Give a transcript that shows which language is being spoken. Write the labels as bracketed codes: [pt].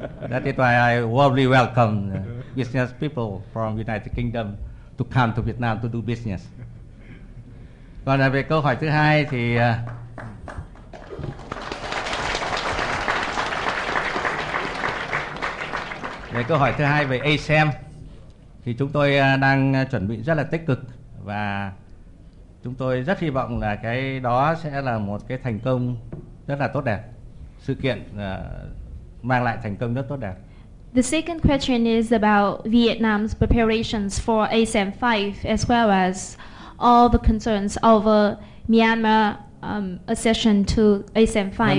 [en] That is why I warmly welcome business people from United Kingdom to come to Vietnam to do business. [vi] Còn về câu hỏi thứ hai thì về câu hỏi thứ hai về ASEM thì chúng tôi đang chuẩn bị rất là tích cực và chúng tôi rất hy vọng là cái đó sẽ là một cái thành công rất là tốt đẹp, sự kiện mang lại thành công rất tốt đẹp. [en] The second question is about Vietnam's preparations for ASEM 5 as well as all the concerns over Myanmar accession to ASEM 5.